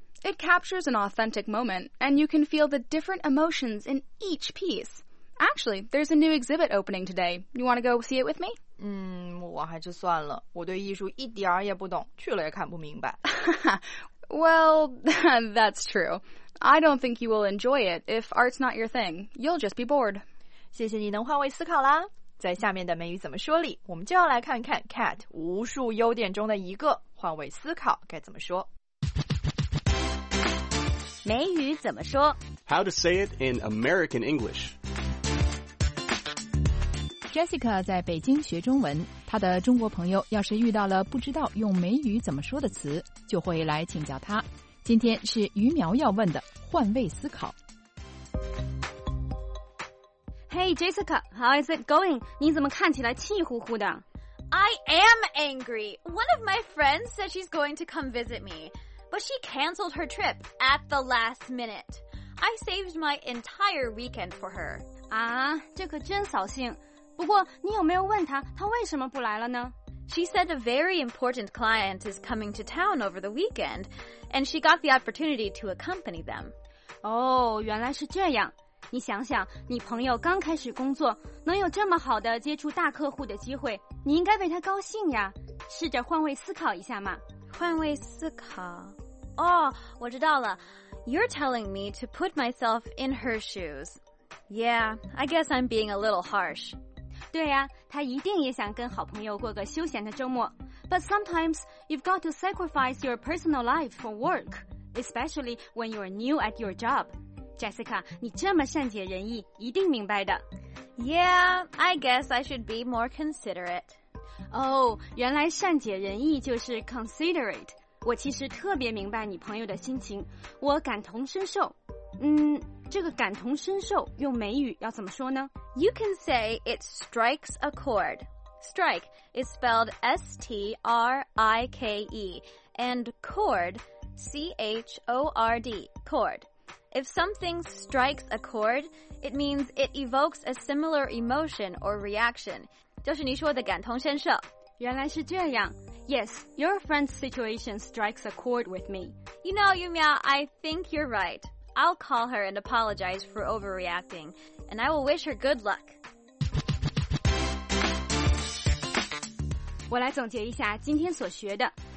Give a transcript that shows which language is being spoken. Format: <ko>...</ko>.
<en>It captures an authentic moment and you can feel the different emotions in each piece. Actually, there's a new exhibit opening today. You want to go see it with me?</en> <zh>我还是算了，我对艺术一点也不懂，去了也看不明白。</zh> <en>Well, that's true. I don't think you will enjoy it if art's not your thing. You'll just be bored.</en> <zh>谢谢你能换位思考啦。在下面的美语怎么说里，我们就要来看看 Cat 无数优点中的一个，换位思考该怎么说。美语怎么说？</zh> <en>How to say it in American English.</en> <zh>Jessica 在北京学中文，她的中国朋友要是遇到了不知道用美语怎么说的词，就会来请教她。今天是于苗要问的换位思考。</zh> <en>Hey, Jessica, how is it going?</en> <zh>你怎么看起来气呼呼的?</zh> <en>I am angry. One of my friends said she's going to come visit me, but she canceled her trip at the last minute. I saved my entire weekend for her.</en> <zh>啊,这可真扫兴。不过你有没有问她,她为什么不来了呢?</zh> <en>She said a very important client is coming to town over the weekend, and she got the opportunity to accompany them.</en> <zh>哦,原来是这样。你想想，你朋友刚开始工作，能有这么好的接触大客户的机会，你应该为他高兴呀。试着换位思考一下嘛。换位思考？哦，我知道了。</zh> <en>You're telling me to put myself in her shoes. Yeah, I guess I'm being a little harsh.</en> <zh>对呀，他一定也想跟好朋友过个休闲的周末。</zh> <en>But sometimes you've got to sacrifice your personal life for work, especially when you're new at your job.</en> <zh>Jessica, 你这么善解人意，一定明白的。</zh> <en>Yeah, I guess I should be more considerate.</en> <zh>原来善解人意就是 considerate。我其实特别明白你朋友的心情，我感同身受。这个感同身受用美语要怎么说呢？</zh> <en>You can say it strikes a chord. Strike is spelled S-T-R-I-K-E, and chord, C-H-O-R-D, chord. If something strikes a chord, it means it evokes a similar emotion or reaction.</en> <zh>就是你说的感同身受。原来是这样。</zh> <en>Yes, your friend's situation strikes a chord with me. You know, Yumiao, I think you're right. I'll call her and apologize for overreacting, and I will wish her good luck.</en> <zh>我来总结一下今天所学的。</zh>